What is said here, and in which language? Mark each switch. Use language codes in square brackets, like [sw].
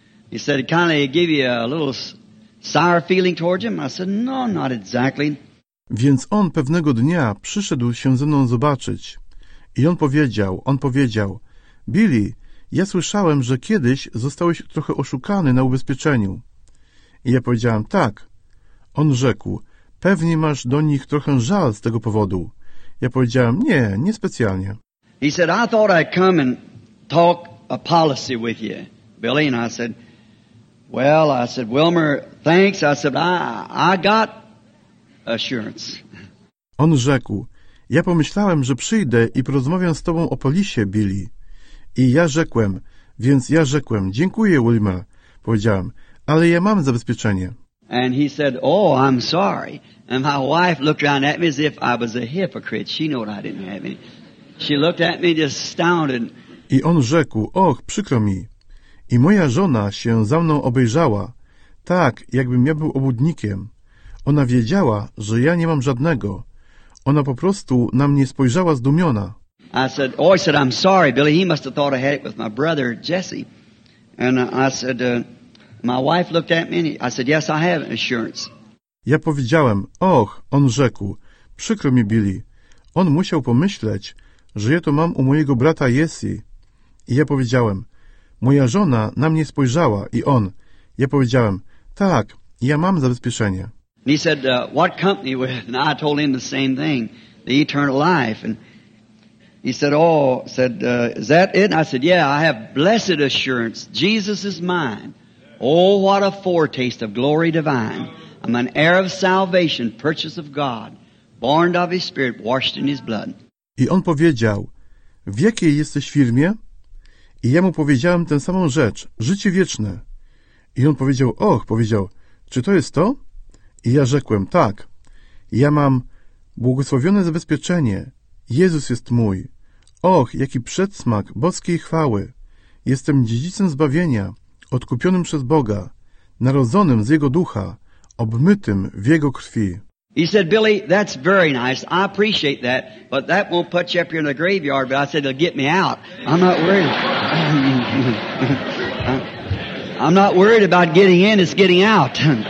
[en] He said, it kind of gave you a little sour feeling towards him. I said, no, not exactly. [pl] Więc on pewnego dnia przyszedł się ze mną zobaczyć. I on powiedział, Billy, ja słyszałem, że kiedyś zostałeś trochę oszukany na ubezpieczeniu. I ja powiedziałem, tak. On rzekł, pewnie masz do nich trochę żal z tego powodu. Ja powiedziałem, nie, niespecjalnie. [en] He said, I thought I'd come and talk a policy with you, Billy. And I said, well, I said, Wilmer, thanks. I said, I got... assurance. [pl] On rzekł, ja pomyślałem, że przyjdę i porozmawiam z tobą o polisie, Billy. I ja rzekłem, dziękuję, Wilmer. Powiedziałem, ale ja mam zabezpieczenie. [en] And he said, "Oh, I'm sorry." And my wife looked around at me as if I was a hypocrite. She knew I didn't have any. She looked at me just astounded. [pl] I on rzekł, "Och, przykro mi." I moja żona się za mną obejrzała, tak jakbym ja był obłudnikiem. Ona wiedziała, że ja nie mam żadnego. Ona po prostu na mnie spojrzała zdumiona. [en] I said, "Oh," I said, "I'm sorry, Billy. He must have thought I had it with my brother Jesse." And I said, "My wife looked at me." And I said, "Yes, I have insurance." [pl] Ja powiedziałem, "Och," on rzekł, "przykro mi, Billy." On musiał pomyśleć, że ja to mam u mojego brata Jesse. I ja powiedziałem, "Moja żona na mnie spojrzała." I on, ja powiedziałem, "Tak, ja mam zabezpieczenie." [en] And he said, "What company with?" And I told him the same thing, the Eternal Life. And he said, "Oh," said, "is that it?" And I said, "Yeah, I have blessed assurance. Jesus is mine. Oh, what a foretaste of glory divine. I'm an heir of salvation, purchase of God, born of His Spirit, washed in His blood." [pl] I on powiedział, "W jakiej jesteś firmie?" I ja mu powiedziałem tę samą rzecz, życie wieczne. I on powiedział, "Och," powiedział, "czy to jest to?" I ja rzekłem, "Tak, ja mam błogosławione zabezpieczenie. Jezus jest mój. Och, jaki przedsmak boskiej chwały. Jestem dziedzicem zbawienia, odkupionym przez Boga, narodzonym z Jego ducha, obmytym w Jego krwi." [en] He said, "Billy, that's very nice. I appreciate that, but that won't put you up here in the graveyard." But I said, "It'll get me out. I'm not worried. I'm not worried about getting in, it's getting out."